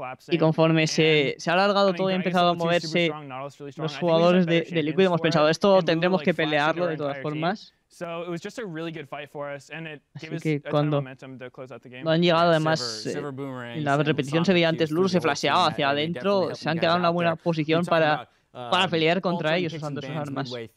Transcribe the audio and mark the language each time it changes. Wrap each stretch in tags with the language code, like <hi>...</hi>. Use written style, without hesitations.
<es>Y conforme se ha alargado todo y ha empezado a moverse los jugadores de Liquid, hemos pensado, esto tendremos que pelearlo de todas formas.</es> <en>So it was just a really good fight for us, and it gave us a ton of momentum to close out the game.</en> <es>Han llegado además. En la repetición se veía antes, Lur se flasheaba hacia adentro. Se han quedado en una buena posición para pelear contra ellos usando sus armas.</es>